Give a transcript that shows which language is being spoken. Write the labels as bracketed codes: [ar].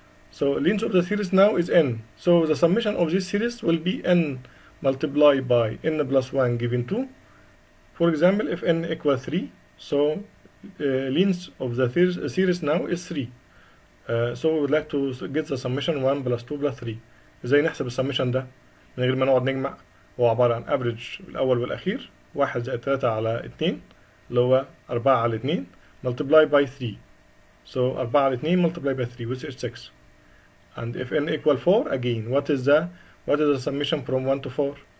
[en] So length of the series now is n, so the summation of this series will be n multiplied by n plus 1 given 2. For example, if n equal 3, so length of the series now is 3. So we would like to get the summation 1 plus 2 plus 3. [ar] ازاي نحسب السميشن ده من غير ما نقعد نجمع؟ هو عبارة عن average الاول والاخير 1 زائد 3 على 2 اللي هو 4 على 2 [en] multiply by 3. So 4 على 2 multiply by 3 which is 6. And if n equal 4 again, what is the summation from 1 to 4?